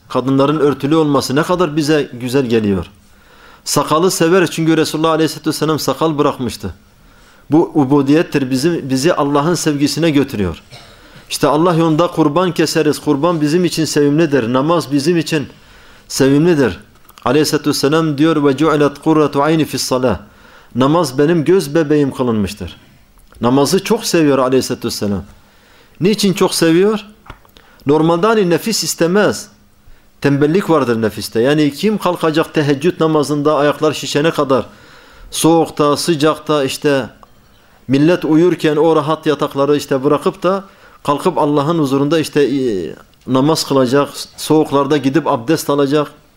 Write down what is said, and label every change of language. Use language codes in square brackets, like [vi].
[tr] Kadınların örtülü olması ne kadar bize güzel geliyor. Sakalı severiz çünkü Resulullah Aleyhisselatü Vesselam sakal bırakmıştı. Bu ubudiyettir, bizi Allah'ın sevgisine götürüyor. İşte Allah yolunda kurban keseriz. Kurban bizim için sevimlidir. Namaz bizim için sevimlidir. [ar] Aleyhisselatü Vesselam [tr] diyor [ar] وَجُعِلَتْ قُرَّةُ عَيْنِ فِي الصَّلَةِ. [tr] Namaz benim göz bebeğim kılınmıştır. Namazı çok seviyor Aleyhisselatü Vesselam. Niçin çok seviyor? Normalde hani nefis istemez. Tembellik vardır nefiste. Yani kim kalkacak teheccüd namazında ayaklar şişene kadar, soğukta, sıcakta, işte millet uyurken o rahat yatakları işte bırakıp da kalkıp Allah'ın huzurunda işte namaz kılacak, soğuklarda gidip abdest alacak.